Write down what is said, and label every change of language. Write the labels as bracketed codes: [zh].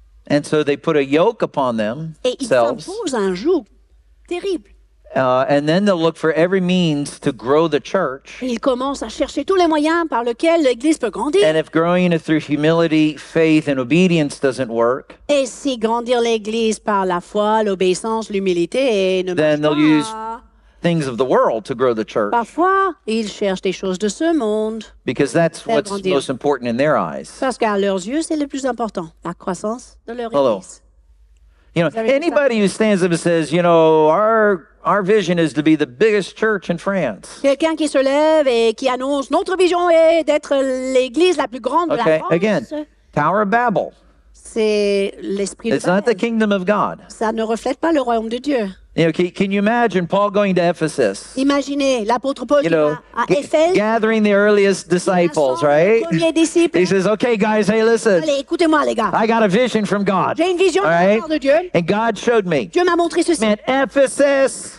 [en] And so they put a yoke upon them. [fr] Et ils imposent un joug terrible. [en] And then they'll look for every means to grow the church. [fr] Ils commencent à chercher tous les moyens par lesquels l'église peut grandir. [en] And if growing it through humility, faith, and obedience doesn't work, [fr] et si grandir l'église par la foi, l'obéissance, l'humilité ne marche pas, [en] then they'll use things of the world to grow the church. [fr] Parfois, ils cherchent des choses de ce monde. [en] Because that's what's [fr] grandir. [en] Most important in their eyes. [fr] Parce qu'à leurs yeux, c'est le plus important, la croissance de leur église. [en] Hello. You know, anybody who stands up and says, you know, our vision is to be the biggest church in France. [fr] Quelqu'un qui se lève et qui annonce notre vision est d'être l'église la plus grande de la France. [en] Okay, again, Tower of Babel. [fr] C'est l'esprit de [en] Babel. It's not the kingdom of God. [fr] Ça ne reflète pas le royaume de Dieu. [en] You know, can you imagine Paul going to Ephesus? [fr] Imaginez l'apôtre Paul, [en] you know, [fr] à Éphèse, [en] gathering the earliest disciples, right? He says, "Okay, guys, hey, listen. [fr] Allez, écoutez-moi, les gars. [en] I got a vision from God. [fr] J'ai une vision [en] all right? [fr] de Dieu. [en] And God showed me. [fr] Dieu m'a montré ceci. [en] Man, Ephesus.